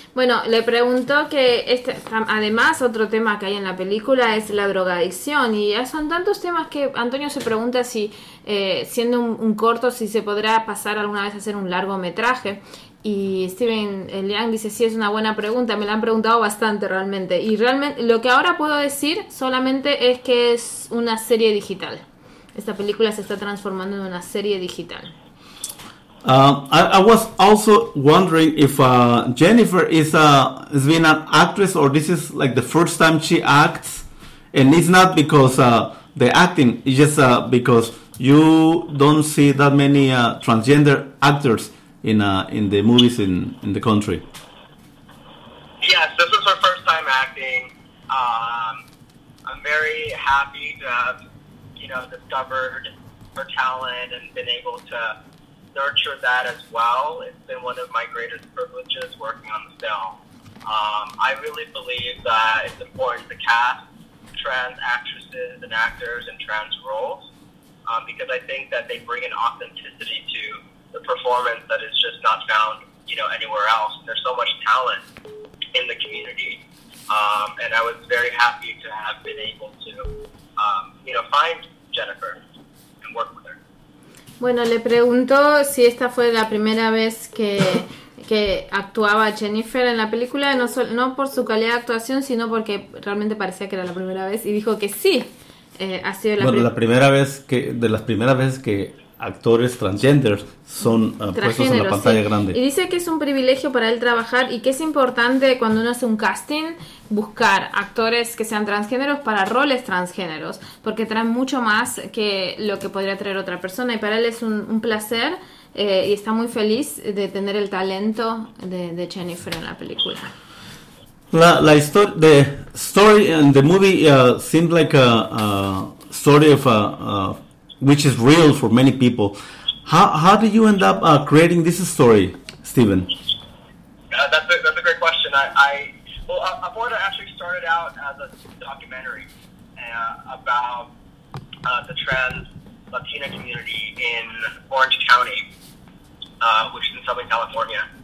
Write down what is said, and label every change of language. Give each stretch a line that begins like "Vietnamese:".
Spanish: Bueno, le preguntó que además otro tema que hay en la película es la drogadicción, y ya son tantos temas que Antonio se pregunta si, siendo un corto, si se podrá pasar alguna vez a hacer un largometraje. Y Steven Lang dice, sí, es una buena pregunta, me la han preguntado bastante realmente. Y realmente lo que ahora puedo decir solamente es que es una serie digital. Esta película se está transformando en una serie digital.
English: I was also wondering if Jennifer has been an actress, or this is like the first time she acts, and it's not because the acting, it's just because you don't see that many transgender actors in the movies in the country. Yes, this is her first time acting. I'm very happy to have, you know, discovered her talent and been able to nurture that as well. It's been one of my greatest privileges working on the film. I really believe that it's important to cast trans actresses and actors in trans roles, because I think that they bring an authenticity to the performance that is just not found, you know, anywhere else. There's so much talent in the community, and I was very happy to have been able to, you know, find Jennifer and work with her.
Spanish: Bueno, le preguntó si esta fue la primera vez que actuaba Jennifer en la película, no por su calidad de actuación, sino porque realmente parecía que era la primera vez, y dijo que sí, ha sido la primera vez que actores transgender son puestos en la pantalla grande. Y dice que es un privilegio para él trabajar, y que es importante cuando uno hace un casting buscar actores que sean transgéneros para roles transgéneros, porque traen mucho más que lo que podría traer otra persona, y para él es un placer, y está muy feliz de tener el talento de Jennifer en la película. La historia,
English: the story in the movie seems like a story of which is real for many people. How did you end up creating this story, Steven? That's a great question. I Aborda actually started out as a documentary about the trans Latina community in Orange County, which is in Southern California.